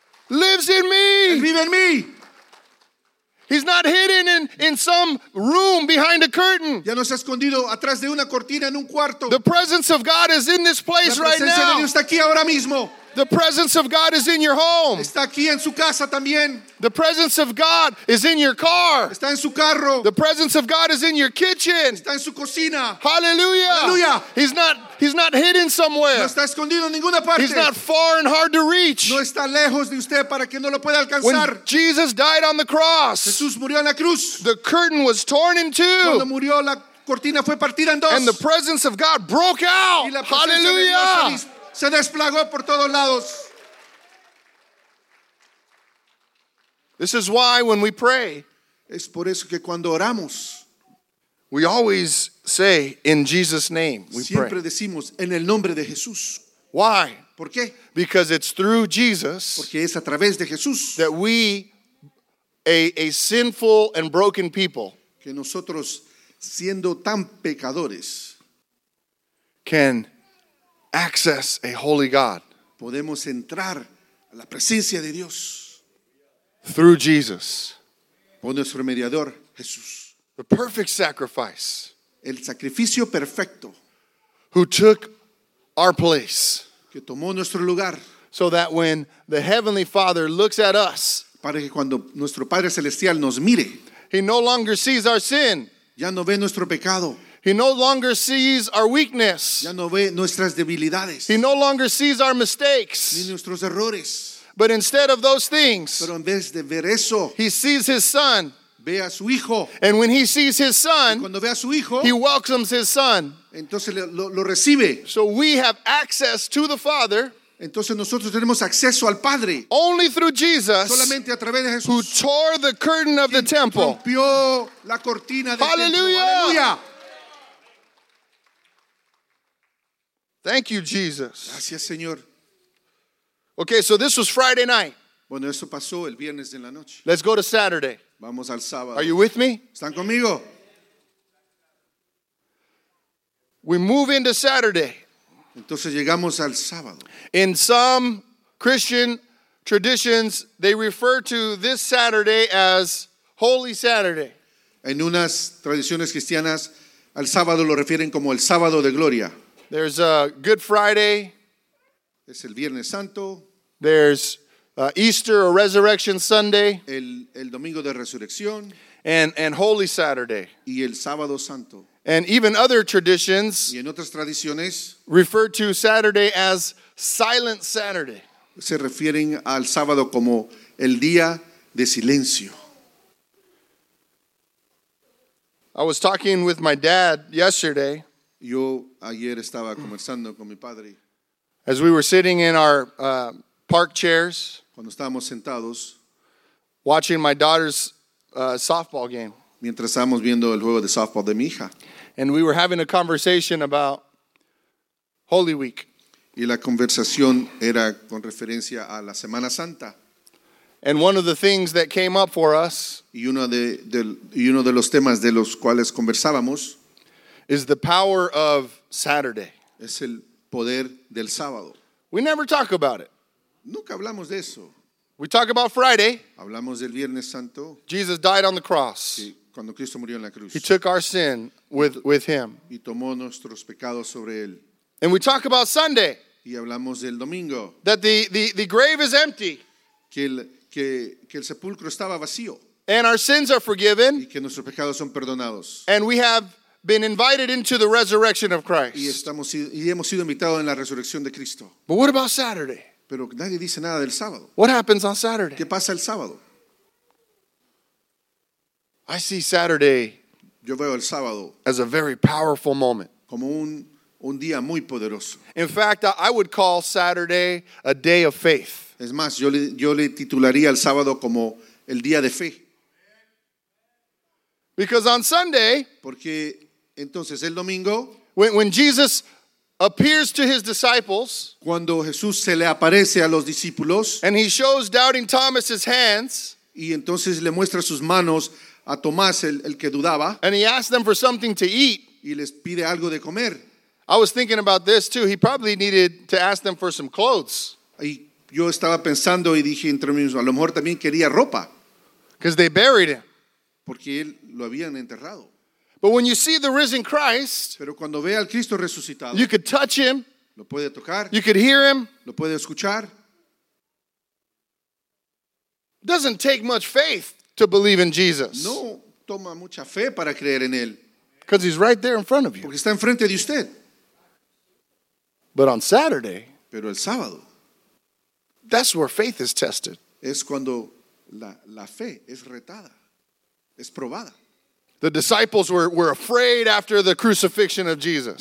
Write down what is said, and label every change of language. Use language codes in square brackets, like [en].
[en] Lives in me. [es] Él vive en mí. [en] He's not hidden in some room behind a curtain. [es] Ya no está escondido atrás de una cortina en un cuarto. [en] The presence of God is in this place right now. [es] La presencia de Dios está aquí ahora mismo. [en] The presence of God is in your home. [es] Está aquí en su casa también. [en] The presence of God is in your car. [es] Está en su carro. [en] The presence of God is in your kitchen. [es] Está en su cocina. [en] Hallelujah. Hallelujah. He's not hidden somewhere. [es] No está escondido en ninguna parte. [en] He's not far and hard to reach. [es] No está lejos de usted para que no lo pueda alcanzar. [en] When Jesus died on the cross, [es] Jesús murió en la cruz. [en] The curtain was torn in two. [es] Cuando murió la cortina fue partida en dos. [en] And the presence of God broke out. [es] Y la presencia Hallelujah. De Dios se desplagó por todos lados. [en] This is why when we pray, [es] es por eso que cuando oramos, [en] we always say in Jesus' name we [es] siempre [en] pray. [es] Siempre decimos en el nombre de Jesús. [en] Why? [es] ¿Por qué? [en] Because it's through Jesus, [es] porque es a través de Jesús, [en] that we, a sinful and broken people, [es] que nosotros siendo tan pecadores, [en] can access a holy God. [es] Podemos entrar a la presencia de Dios. [en] Through Jesus. [es] Por nuestro mediador, Jesús. [en] The perfect sacrifice. [es] El sacrificio perfecto. [en] Who took our place. [es] Que tomó nuestro lugar. [en] So that when the Heavenly Father looks at us, [es] para que cuando nuestro Padre Celestial nos mire, [en] he no longer sees our sin. [es] Ya no ve nuestro pecado. [en] He no longer sees our weakness. [es] Ya no ve nuestras debilidades. [en] He no longer sees our mistakes. [es] Ni nuestros errores. [en] But instead of those things, [es] pero en vez de ver eso, [en] he sees his son. [es] Ve a su hijo. [en] And when he sees his son, [es] y cuando ve a su hijo, [en] he welcomes his son. [es] Entonces lo recibe. [en] So we have access to the Father. [es] Entonces nosotros tenemos acceso al Padre. [en] Only through Jesus, [es] solamente a través de Jesús, [en] who tore the curtain of the temple. [es] Rompió la cortina del [en] Hallelujah. [es] Templo. [en] Hallelujah. Thank you, Jesus. [es] Gracias, Señor. [en] Okay, so this was Friday night. [es] Bueno, eso pasó el viernes en la noche. [en] Let's go to Saturday. [es] Vamos al sábado. [en] Are you with me? [es] ¿Están conmigo? [en] We move into Saturday. [es] Entonces llegamos al sábado. [en] In some Christian traditions, they refer to this Saturday as Holy Saturday. [es] En unas tradiciones cristianas, al sábado lo refieren como el sábado de gloria. [en] There's a Good Friday. [es] Es el Viernes Santo. [en] There's Easter or Resurrection Sunday. [es] El Domingo de Resurrección. [en] And Holy Saturday. [es] Y el Sábado Santo. [en] And even other traditions. [es] Y en otras tradiciones. [en] Refer to Saturday as Silent Saturday. [es] Se refieren al sábado como el día de silencio. [en] I was talking with my dad yesterday. [es] Yo ayer estaba conversando con mi padre. [en] As we were sitting in our park chairs, [es] cuando estábamos sentados, [en] watching my daughter's softball game, [es] mientras estábamos viendo el juego de softball de mi hija, [en] and we were having a conversation about Holy Week. [es] Y la conversación era con referencia a la Semana Santa. [en] And one of the things that came up for us, [es] y uno de los temas de los cuales conversábamos, [en] is the power of Saturday. [es] Es el poder del sábado. [en] We never talk about it. [es] Nunca hablamos de eso. [en] We talk about Friday. [es] Hablamos del Viernes Santo. [en] Jesus died on the cross. [es] Y cuando Cristo murió en la cruz. [en] He took our sin with him. [es] Y tomó nuestros pecados sobre él. [en] And we talk about Sunday. [es] Y hablamos del domingo. [en] That the grave is empty. [es] Que el sepulcro estaba vacío. [en] And our sins are forgiven. [es] Y que nuestros pecados son perdonados. [en] And we have been invited into the resurrection of Christ. [es] Y hemos sido invitados en la resurrección de Cristo. [en] But what about Saturday? [es] Pero nadie dice nada del sábado. [en] What happens on Saturday? [es] ¿Qué pasa el sábado? [en] I see Saturday. [es] Yo veo el sábado [en] as a very powerful moment. [es] Como un día muy poderoso. [en] In fact, I would call Saturday a day of faith. [es] Es más, yo le titularía el sábado como el día de fe. [en] Because on Sunday, [es] porque entonces el domingo, [en] when Jesus appears to his disciples, [es] cuando Jesús se le aparece a los discípulos, [en] and he shows doubting Thomas his hands, [es] y entonces le muestra sus manos a Tomás el que dudaba, [en] and he asks them for something to eat, [es] y les pide algo de comer. [en] I was thinking about this too. He probably needed to ask them for some clothes. [es] Y yo estaba pensando y dije entre mí mismo, a lo mejor también quería ropa. [en] Because they buried him. [es] Porque él lo habían enterrado. [en] But when you see the risen Christ, [es] pero cuando ve al Cristo resucitado, [en] you could touch him. [es] Lo puede tocar. [en] You could hear him. [es] Lo puede escuchar. [en] Doesn't take much faith to believe in Jesus. [es] No toma mucha fe para creer en él. [en] Because he's right there in front of you. [es] Porque está enfrente de usted. [en] But on Saturday, [es] pero el sábado, [en] that's where faith is tested. [es] Es cuando la fe es retada. Es probada. [en] The disciples were afraid after the crucifixion of Jesus.